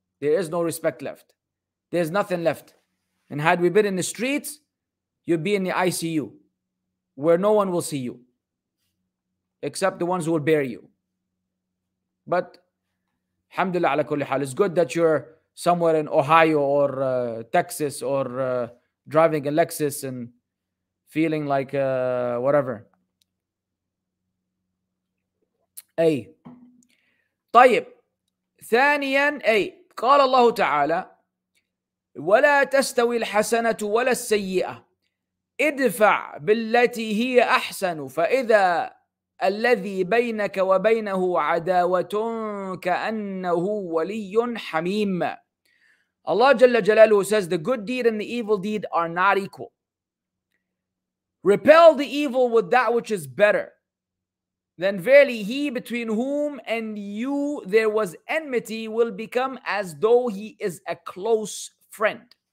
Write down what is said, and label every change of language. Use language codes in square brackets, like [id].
[en] There is no respect left. There's nothing left. And had we been in the streets, you'd be in the ICU, where no one will see you, except the ones who will bury you. But [ar] alhamdulillah ala kulli hal, [en] it's good that you're somewhere in Ohio or Texas or driving a Lexus and feeling like whatever. Hey. [ar] طيب ثانيا أي قال الله تعالى ولا تستوي الحسنة ولا السيئة ادفع بالتي هي أحسن فإذا الذي بينك وبينه عداوة كأنه ولي حميم. [en] Allah جل جلاله says the good deed and the evil deed are not equal. Repel the evil with that which is better. Then verily he between whom and you there was enmity will become as though he is a close friend.